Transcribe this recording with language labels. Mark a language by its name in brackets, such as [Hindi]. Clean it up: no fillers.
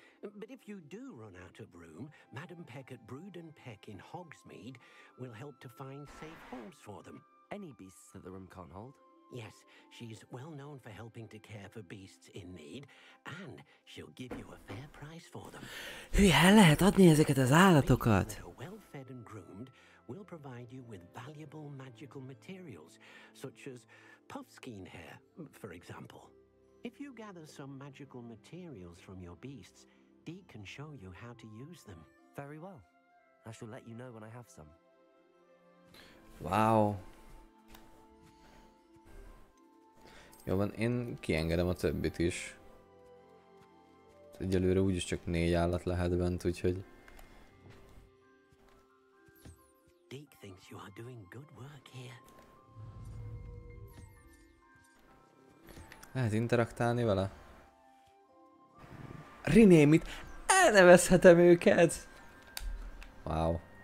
[English] But if you do run out of room, Madam Peck at Brood and Peck in Hogsmeade will help to find safe homes for them. Any beasts that the room can't hold? Yes, she's well known for helping to care for beasts in need, and she'll give you a fair price for them. [Hungarian] Hülye, el lehet adni ezeket az állatokat! [English] Well-fed and groomed, we'll provide you with valuable magical materials, such as puffskin hair, for example. If you gather some magical materials from your beasts, Deek can show you how to use them. Very well. I shall let you know when I have some. Wow. [Hungarian] Jó van, én kiengedem a többit is. Egyelőre úgyis csak 4 állat lehet bent, úgyhogy... [English] Deek thinks you are doing good work here. [Hungarian] Lehet interaktálni vele? [English] Rename it! [Hungarian] Elnevezhetem őket! Wow.